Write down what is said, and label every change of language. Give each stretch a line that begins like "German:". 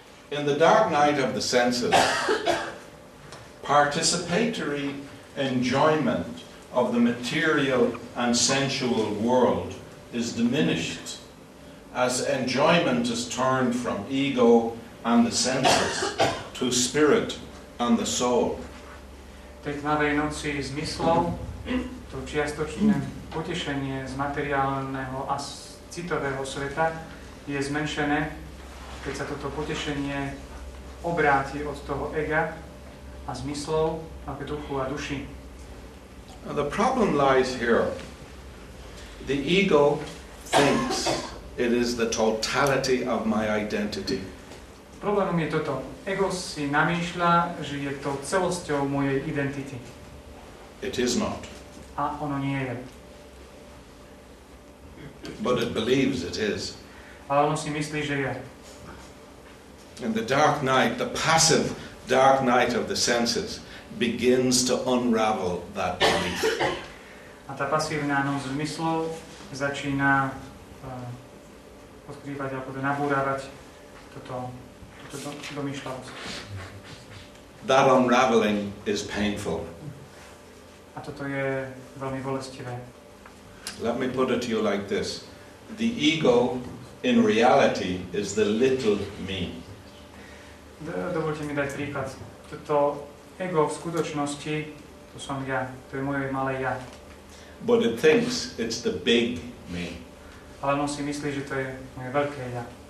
English: In the dark night of the senses, participatory enjoyment of the material and sensual world is diminished as enjoyment is turned from ego and the senses to spirit and the soul.
Slovak: Tej tmavej noci zmyslov, to čiastočné potešenie z materiálneho a citového sveta je zmenšené, keď sa toto potešenie obráti od toho ega a zmyslov k duchu a duši.
English: Now the problem lies here. The ego thinks it is the totality of my identity.
Slovak: Problémom je toto. Ego si namýšľa, že je to celosťou mojej identity.
English: It is not.
Slovak: A ono nie je.
English: But it believes it is.
Slovak: A ono si myslí, že je.
English: And the dark night, the passive dark night of the senses, begins to unravel that belief.
Slovak: A tá pasívna noc zmyslov začína odkrývať alebo nabúravať toto domýšľavosť.
English: That unraveling is painful.
Slovak: A toto je veľmi bolestivé.
English: Let me put it to you like this. The ego in reality is the little me.
Slovak: Dovolte mi dať príklad. Toto ego v skutočnosti, to som ja, to je moje malé ja.
English: But it thinks it's the big me.
Slovak: Ale on si myslí, že to je moje veľké ja.